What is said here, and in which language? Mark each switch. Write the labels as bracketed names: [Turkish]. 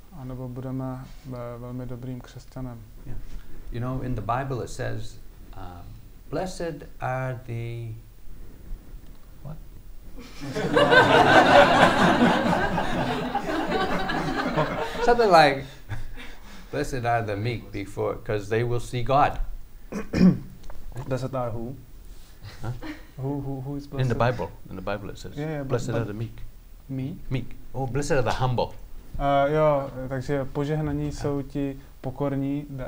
[Czech] A nebo budeme velmi dobrým křesťanem. [English] Yeah. You know, in the Bible it says blessed are the something like blessed are the meek before because they will see God. Blessed are who? Huh? Who is blessed? In the Bible it says blessed are the meek. Meek? Oh, blessed are the humble. [Czech] Jo, takže požehnaní jsou ti pokorní.